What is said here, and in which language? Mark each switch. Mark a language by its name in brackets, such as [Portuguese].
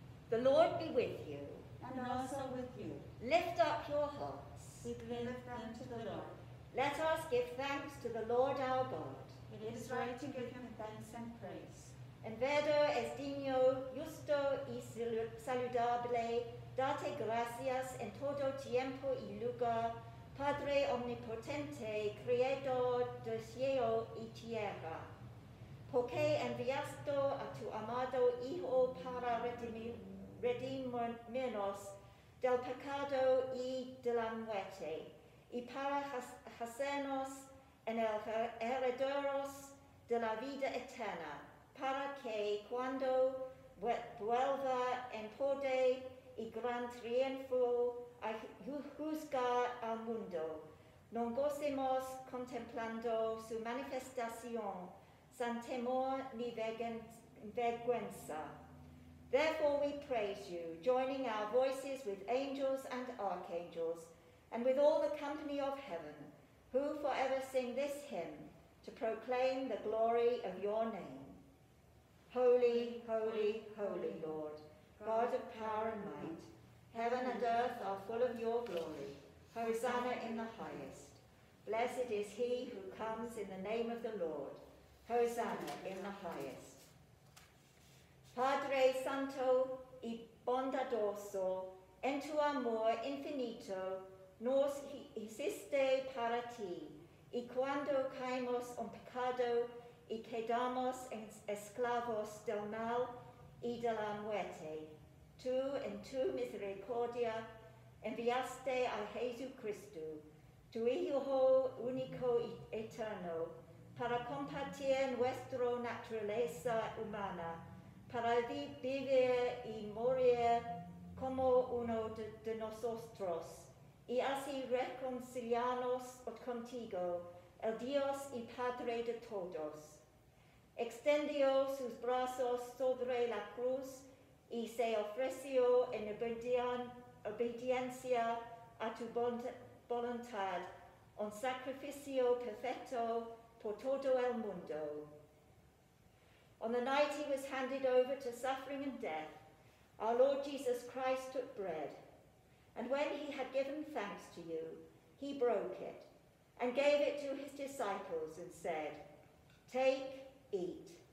[English] The Lord be with you. And also with you. Lift up your hearts. We lift them to the Lord. Let us give thanks to the Lord our God. It is right to give him thanks and praise. [Spanish] In vero es digno, justo y saludable, date gracias en todo tiempo y lugar, Padre omnipotente, creador de cielo y tierra. Porque enviaste a tu amado Hijo para redimirnos del pecado y de la muerte, y para hacernos en el herederos de la vida eterna, para que cuando vuelva en poder y gran triunfo a juzgar al mundo, nos gocemos contemplando su manifestación sin temor ni vergüenza. [English] Therefore we praise you, joining our voices with angels and archangels, and with all the company of heaven, who forever sing this hymn to proclaim the glory of your name. Holy, holy, holy Lord, God of power and might, heaven and earth are full of your glory. Hosanna in the highest. Blessed is he who comes in the name of the Lord. Hosanna in the highest. [Spanish] Padre Santo y bondadoso, en tu amor infinito, nos hiciste para ti, y cuando caímos en pecado y quedamos esclavos del mal y de la muerte, tú en tu misericordia enviaste a Jesucristo, tu Hijo único y eterno, para compartir nuestra naturaleza humana, para vivir y morir como uno de nosotros, y así reconciliarnos contigo, el Dios y Padre de todos. Extendió sus brazos sobre la cruz y se ofreció en obediencia a tu voluntad, un sacrificio perfecto por todo el mundo. [English] On the night he was handed over to suffering and death, our Lord Jesus Christ took bread. And when he had given thanks to you, he broke it and gave it to his disciples and said, take, eat.